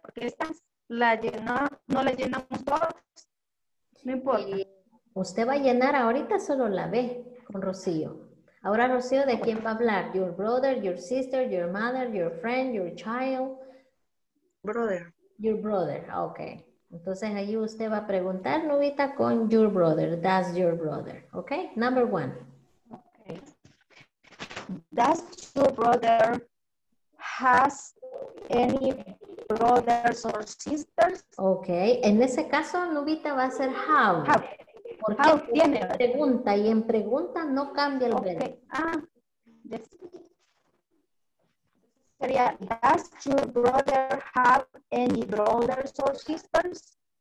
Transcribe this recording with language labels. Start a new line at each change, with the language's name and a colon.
Spanish: Porque estas la llena, no la llenamos todas. No importa. Y usted va a llenar ahorita solo la B con Rocío. Ahora, Rocío, ¿de quién va a hablar?
English: Your brother, your sister, your mother, your friend, your child. Brother. Your brother, okay.
Spanish: Uh-huh. Entonces ahí usted va a preguntar, Nubita, con
English: your brother. Does your brother. Ok, number one. Okay. Does your brother has any brothers or sisters?
Spanish: Ok, en ese caso, Nubita, va a ser how.
English: How.
Spanish: ¿Por qué? Tiene pregunta y en pregunta no cambia el verbo.
English: Okay. Sería, does your brother have any brothers or sisters?